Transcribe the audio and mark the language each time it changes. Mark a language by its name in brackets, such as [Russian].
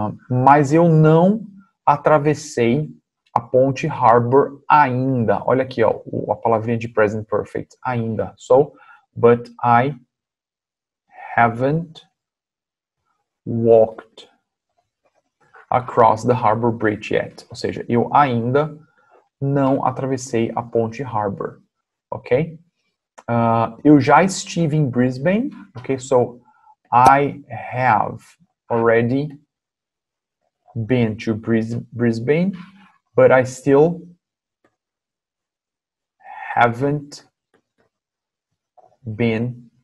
[Portuguese] Mas eu não atravessei a Ponte Harbor ainda. Olha aqui, ó, a palavrinha de present perfect, ainda. [English] So, but I haven't walked across the Harbor Bridge yet. [Portuguese] Ou seja, eu ainda não atravessei a Ponte Harbor. Ok? Eu já estive em Brisbane. Ok? [English] So, I have already been to Brisbane, but I still haven't been.